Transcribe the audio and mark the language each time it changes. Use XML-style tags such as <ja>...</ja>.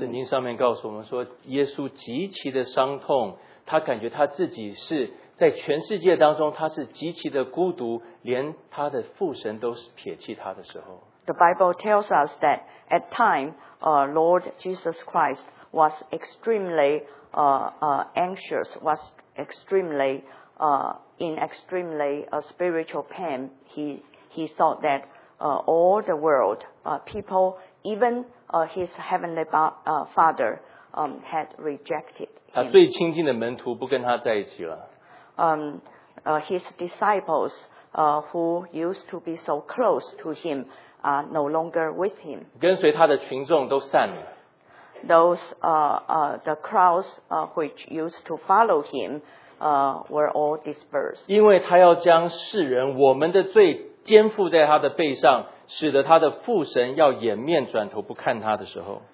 <zh>圣经上面告诉我们说，耶稣极其的伤痛，他感觉他自己是在全世界当中，他是极其的孤独，连他的父神都是撇弃他的时候。</zh> <en>The Bible tells us that at time, Lord Jesus Christ was extremely anxious, was extremely in extremely spiritual pain. He thought that all the world people. Even his heavenly father had rejected him.</en> <zh>他最亲近的门徒不跟他在一起了。</zh> <en>His disciples who used to be so close to him are no longer with him.</en> <zh>跟随他的群众都散了。</zh> <en>Those the crowds which used to follow him were all dispersed.</en> <zh>因为他要将世人我们的罪肩负在他的背上。使得他的父神要掩面转头不看他的时候</zh>